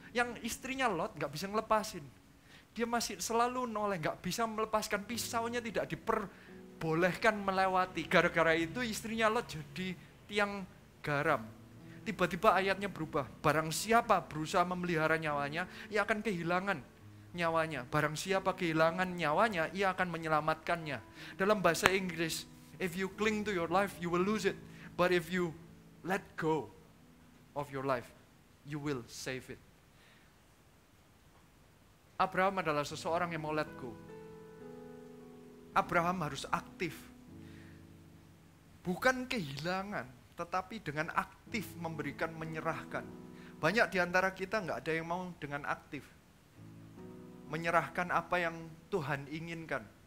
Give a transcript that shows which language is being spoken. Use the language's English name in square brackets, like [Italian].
[Indonesian] Yang istrinya Lot enggak bisa ngelepasin. Dia masih selalu noleh, enggak bisa melepaskan pisaunya, tidak diperbolehkan melewati. Gara-gara itu istrinya Lot jadi tiang garam. Tiba-tiba ayatnya berubah. Barang siapa berusaha memelihara nyawanya, ia akan kehilangan nyawanya. Barang siapa kehilangan nyawanya, ia akan menyelamatkannya. Dalam bahasa Inggris, [English] if you cling to your life, you will lose it. But if you let go of your life, you will save it. [Indonesian] Abraham adalah seseorang yang mau [English] let go. [Indonesian] Abraham harus aktif. Bukan kehilangan, tetapi dengan aktif memberikan, menyerahkan. Banyak di antara kita enggak ada yang mau dengan aktif menyerahkan apa yang Tuhan inginkan.